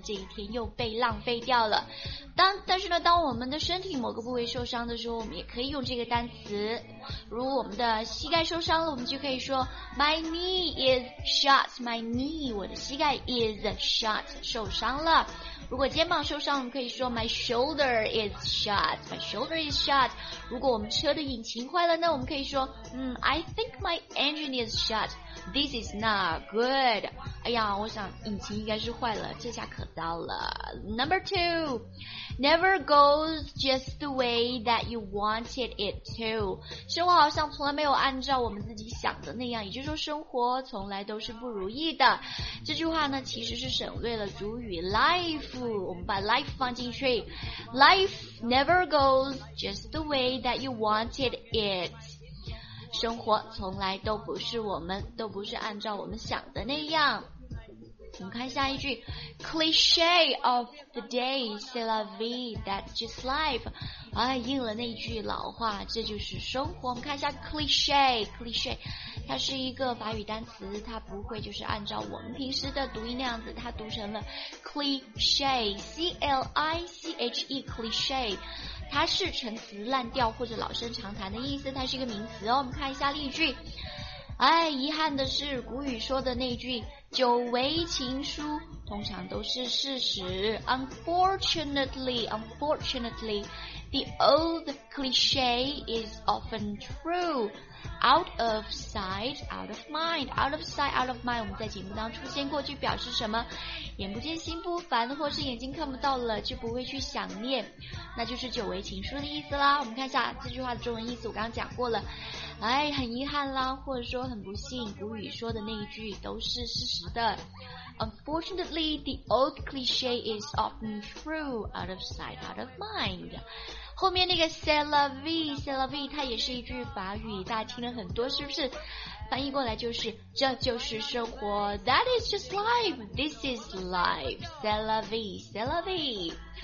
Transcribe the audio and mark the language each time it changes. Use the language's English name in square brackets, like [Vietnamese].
[Chinese] 这一天又被浪费掉了。但是呢，当我们的身体某个部位受伤的时候，我们也可以用这个单词。如我们的膝盖受伤了，我们就可以说 [English] My knee is shot， My knee， [Chinese] 我的膝盖 [English] is shot， [Chinese] 受伤了。如果肩膀受伤，我们可以说 [English] My shoulder is shot， My shoulder is shot。 [Chinese] 如果我们车的引擎坏了呢，我们可以说 [English] I think my engine is shot， This is not good。 [Chinese] 哎呀，我想引擎应该是坏了，这下可糟了。 [English] Number two， Never goes just the way that you wanted it to， [Chinese] 生活好像从来没有按照我们自己想的那样，也就是说生活从来都是不如意的。这句话呢其实是省略了主语 life， 我们把 life 放进去。 [English] Life never goes just the way that you wanted it， [Chinese] 生活从来都不是我们都不是按照我们想的那样。我们看下一句， [English] cliché of the day [French] c'est la vie [English] that's just life， [Chinese] 应了那句老话，这就是生活。我们看一下 cliché， 它是一个法语单词，它不会就是按照我们平时的读音那样子，它读成了 cliché， cliché， cliché，它是陈词滥调或者老生常谈的意思，它是一个名词哦。我们看一下例句，遗憾的是古语说的那句久违情书通常都是事实。 [English] Unfortunately the old cliché is often true。 Out of sight out of mind [Chinese] 我们在节目当出现过去表示什么？眼不见心不烦，或是眼睛看不到了就不会去想念，那就是久违情书的意思啦。我们看一下这句话的中文意思，我刚刚讲过了，很遗憾啦，或者说很不幸，古语说的那一句都是事实的。 [English] Unfortunately the old cliché is often true， out of sight out of mind。 [Chinese] 后面那个 [French] c'est la vie [Chinese] 它也是一句法语，大家听了很多是不是？翻译过来就是这就是生活， [English] That is just life， This is life， [French] c'est la vie。